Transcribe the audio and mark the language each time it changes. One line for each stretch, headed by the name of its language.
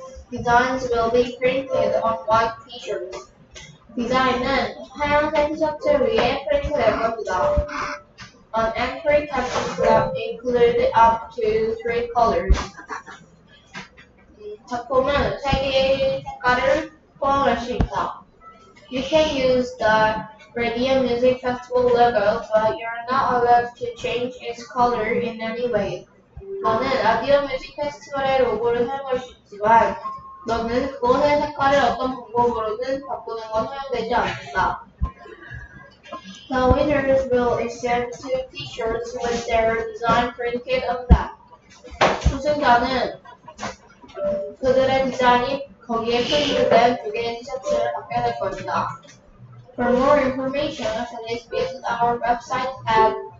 English: Designs will be printed on white t-shirts.
Korean: 디자인은 하얀색 티셔츠 위에 프린트될 겁니다.
English: On every type of graph include up to 3 colors.
Korean: 작품은 세 개의 색깔을 포함할 수 있다.
English: You can use the Radio Music Festival logo, but you're not allowed to change its color in any way.
Korean: 너는 라디오 뮤직 페스티벌의 로고를 사용할 수 있지만 너는 그것의 색깔을 어떤 방법으로든 바꾸는 건 허용되지 않는다.
English: The winners will receive two t-shirts with their design printed on them.
Korean: 우승자는 그들의 디자인이 거기에 프린트된 두 개의 티셔츠를 받게 될 것이다.
English: For more information, please visit our website at